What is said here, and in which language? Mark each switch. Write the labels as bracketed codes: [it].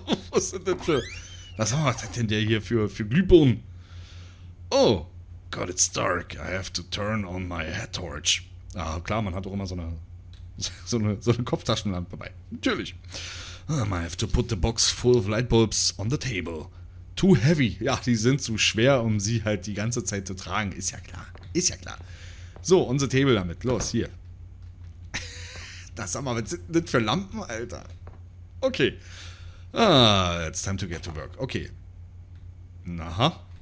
[de] Was sind denn für... Was hat denn der hier für Glühbirnen? [en] Oh, God, it's dark. I have to turn on my head torch. [de] Ah, klar, man hat doch immer so eine Kopftaschenlampe bei. Natürlich. [en] I have to put the box full of light bulbs on the table. Too heavy. [de] Ja, die sind zu schwer, um sie halt die ganze Zeit zu tragen. Ist ja klar. So, unser Table damit. Los, hier. Das sag mal, was sind denn das für Lampen, Alter? [en] Okay. Ah, it's time to get to work. Okay. Aha.